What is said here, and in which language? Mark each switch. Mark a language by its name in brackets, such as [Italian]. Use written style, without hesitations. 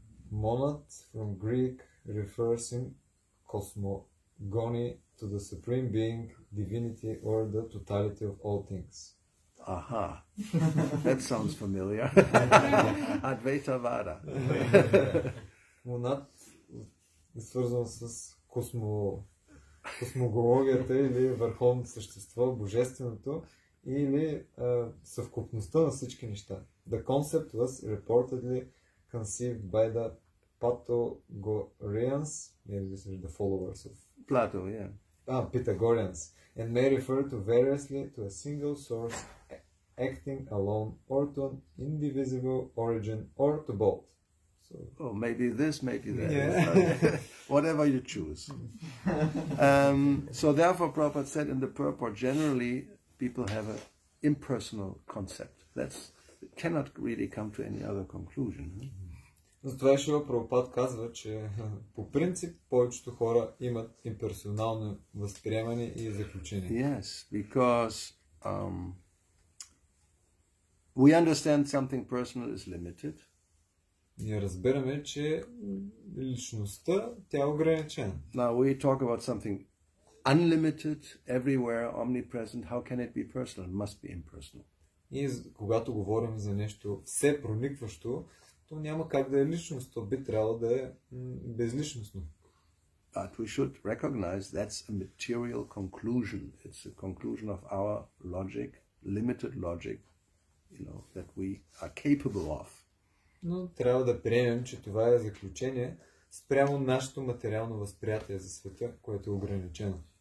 [English] Monad from Greek refers in cosmogony to the supreme being, divinity, or the totality of all things. Aha, that sounds familiar. Advaita Vada. Monad is [Bulgarian] свързан с космогологията или върховно същество, божественото или съвкупността на всички неща. [English] The concept was reportedly conceived by the Pythagoreans, maybe this is the followers of Plato, yeah. Pythagoreans, and may refer to variously to a single source acting alone, or to an indivisible origin, or to both. So, oh, maybe this, maybe that. Yeah. Whatever you choose. So therefore, Prabhupada said in the purport, generally people have an impersonal concept. That's cannot really come to any other conclusion. [Bulgarian] Затова Шива Прабхупад казва, че по принцип повечето хора имат имперсонално възприемане и заключение. [English] Yes, because we understand something personal is limited. [Bulgarian] Ние разбираме, че личността тя е ограничена. [English] Now we talk about something unlimited, everywhere, omnipresent. How can it be personal? It must be impersonal. [Bulgarian] И когато говорим за нещо все проникващо, то няма как да е личност, то би трябвало да е безличностно. [English] But we should recognize that's a material conclusion. It's a conclusion of our logic, limited logic, you know, that we are capable of. [Bulgarian] Но трябва да приемем, че това е заключение спрямо нашето материално възприятие за света, което е ограничено.